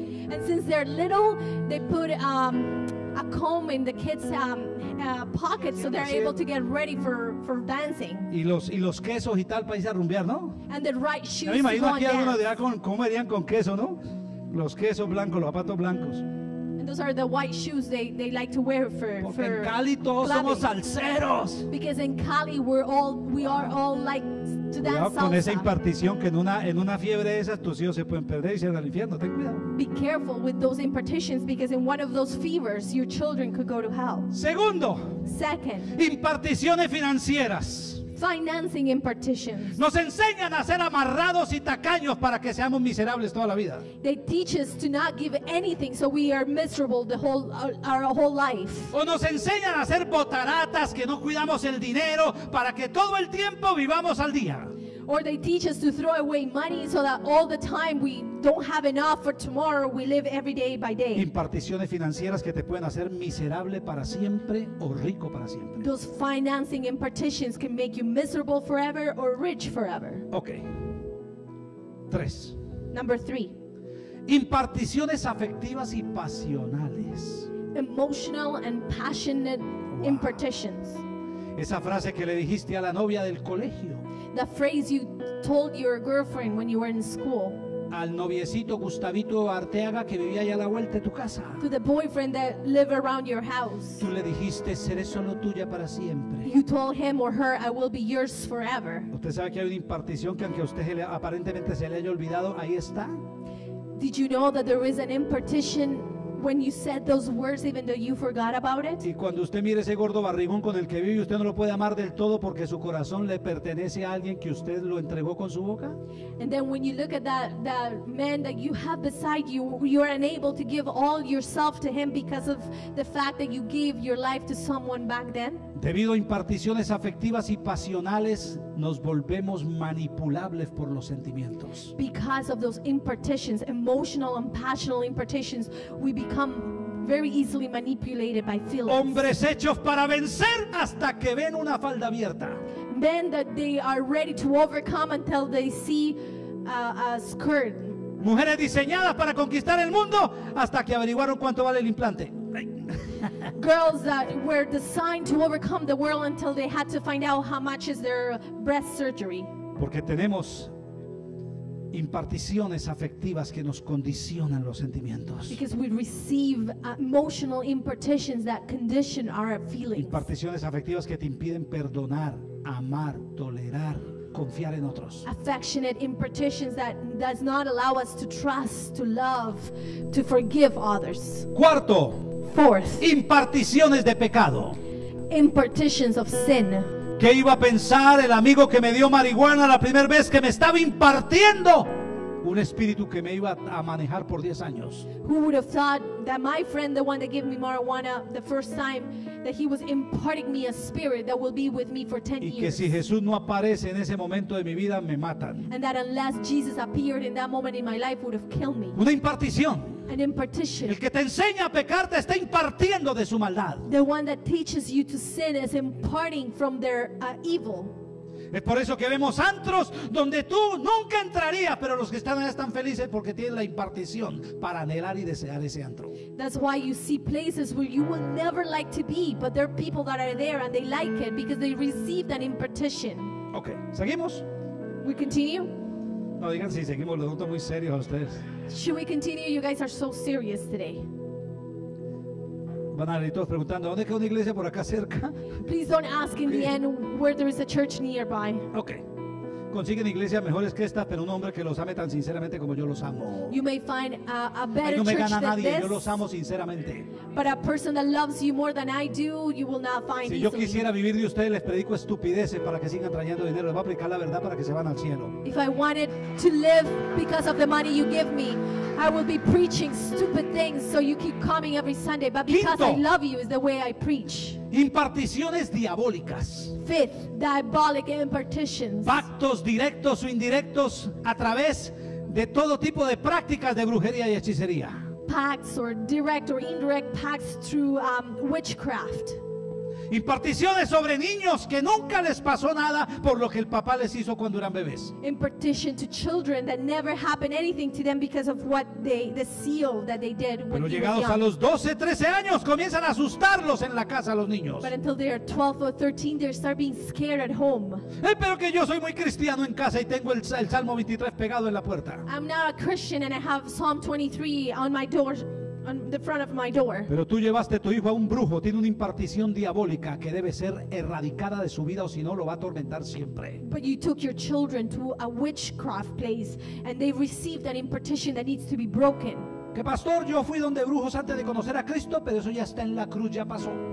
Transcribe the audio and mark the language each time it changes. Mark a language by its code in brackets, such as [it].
[en] And since they're little, they put a comb in the kids' pocket so they're able to get ready for dancing. [es] Y los quesos y tal para irse a rumbear, ¿no? [en] And the right shoes. [es] Yo me imagino aquí algunos dirán con cómo irían con queso, ¿no? Los quesos blancos, los zapatos blancos. [en] Those are the white shoes they like to wear for. [es] Porque en Cali todos [en] clubbing. [es] Somos salseros. [en] Because in Cali we are all like to dance salsa. [es] Con esa impartición que en una fiebre de esas tus hijos se pueden perder y se van al infierno. Ten cuidado. [en] Be careful with those impartitions because in one of those fevers your children could go to hell. [es] Segundo. [en] Second. [es] Imparticiones financieras. [en] Financing impartitions. [es] Nos enseñan a ser amarrados y tacaños para que seamos miserables toda la vida. [en] They teach us to not give anything so we are miserable the whole our whole life. [es] O nos enseñan a ser botaratas que no cuidamos el dinero para que todo el tiempo vivamos al día. [en] Or they teach us to throw away money so that all the time we don't have enough for tomorrow, we live every day by day. [es] Imparticiones financieras que te pueden hacer miserable para siempre o rico para siempre. [en] Those financing impartitions can make you miserable forever or rich forever. [es] Okay. Tres. [en] Number three. [es] Imparticiones afectivas y pasionales. [en] Emotional and passionate impartitions. [es] Esa frase que le dijiste a la novia del colegio. [en] The phrase you told your girlfriend when you were in school. [es] Al noviecito Gustavito Arteaga que vivía allá a la vuelta de tu casa. [en] To the boyfriend that lived around your house. [es] Tú le dijiste seré solo tuya para siempre. [en] You told him or her I will be yours forever. [es] Usted sabe que hay una impartición que aunque a usted aparentemente se le haya olvidado, ahí está. [en] Did you know that there is an impartition when you said those words even though you forgot about it? [es] Y cuando usted mire ese gordo barrigón con el que vive, usted no lo puede amar del todo porque su corazón le pertenece a alguien que usted lo entregó con su boca. [en] And then when you look at that man that you have beside you, you are unable to give all yourself to him because of the fact that you gave your life to someone back then. [es] Debido a imparticiones afectivas y pasionales, nos volvemos manipulables por los sentimientos. [en] Because of those impartitions, emotional and passional impartitions, we become very easily manipulated by feelings. [es] Hombres hechos para vencer hasta que ven una falda abierta. [en] Men that they are ready to overcome until they see a skirt. [es] Mujeres diseñadas para conquistar el mundo hasta que averiguaron cuánto vale el implante. [en] Girls that were designed to overcome the world until they had to find out how much is their breast surgery. [es] Porque tenemos imparticiones afectivas que nos condicionan los sentimientos. [en] Because we receive emotional impartitions that condition our feelings. [es] Imparticiones afectivas que te impiden perdonar, amar, tolerar, confiar en otros. [en] Affectionate impartitions that does not allow us to trust, to love, to forgive others. [es] Cuarto. [en] Fourth. [es] Imparticiones de pecado. [en] Impartitions of sin. [es] ¿Qué iba a pensar el amigo que me dio marihuana la primera vez que me estaba impartiendo un espíritu que me iba a manejar por 10 años? [en] Who would have thought that my friend, the one that gave me marijuana the first time, that he was imparting me a spirit that will be with me for 10 years. [es] Y que si Jesús no aparece en ese momento de mi vida, me matan. [en] And that unless Jesus appeared in that moment in my life, would have killed me. [es] Una impartición. [en] An impartition. [es] El que te enseña a pecar te está impartiendo de su maldad. [en] The one that teaches you to sin is imparting from their evil. [es] Es por eso que vemos antros donde tú nunca entrarías, pero los que están allá están felices porque tienen la impartición para anhelar y desear ese antro. [en] That's why you see places where you would never like to be, but there are people that are there and they like it because they receive that impartition. [es] Okay, ¿seguimos? [en] We continue? [es] No, digan si seguimos, los noto muy serios a ustedes. [en] Should we continue? You guys are so serious today. [es] Van a ir todos preguntando, ¿dónde queda una iglesia por acá cerca? [en] Please don't ask in the end where there is a church nearby. Okay. [es] Consiguen iglesias mejores que esta, pero un hombre que los ame tan sinceramente como yo los amo. [en] You may find a better [es] no me gana [en] church [es] nadie, [en] than this. [es] Yo los amo sinceramente. [en] But a person that loves you more than I do, you will not find. [es] Si [en] easily. [es] Yo quisiera vivir de ustedes, les predico estupideces para que sigan trayendo dinero. Les voy a predicar la verdad para que se van al cielo. [en] If I wanted to live because of the money you give me, I will be preaching stupid things so you keep coming every Sunday. But because [es] Quinto. [en] I love you is the way I preach. [es] Imparticiones diabólicas. [en] Fifth, diabolic impartitions. [es] Pactos directos o indirectos a través de todo tipo de prácticas de brujería y hechicería. [en] Pacts or direct or indirect pacts through witchcraft. [es] Imparticiones sobre niños que nunca les pasó nada por lo que el papá les hizo cuando eran bebés. [en] Impartition to children that never happened anything to them because of what they the seal that they did when [es] Pero llegados [en] they were young. [es] A los 12, 13 años comienzan a asustarlos en la casa los niños. [en] But until they are 12 or 13 they start being scared at home. [es] Pero que yo soy muy cristiano en casa y tengo el Salmo 23 pegado en la puerta. [en] I'm now a Christian and I have Psalm 23 on my door. On the front of my door. [es] Pero tú llevaste tu hijo a un brujo, tiene una impartición diabólica que debe ser erradicada de su vida o si no lo va a atormentar siempre. [en] But you took your children to a witchcraft place and they received an impartition that needs to be broken. [es] Que pastor, yo fui donde brujos antes de conocer a Cristo, pero eso ya está en la cruz, ya pasó.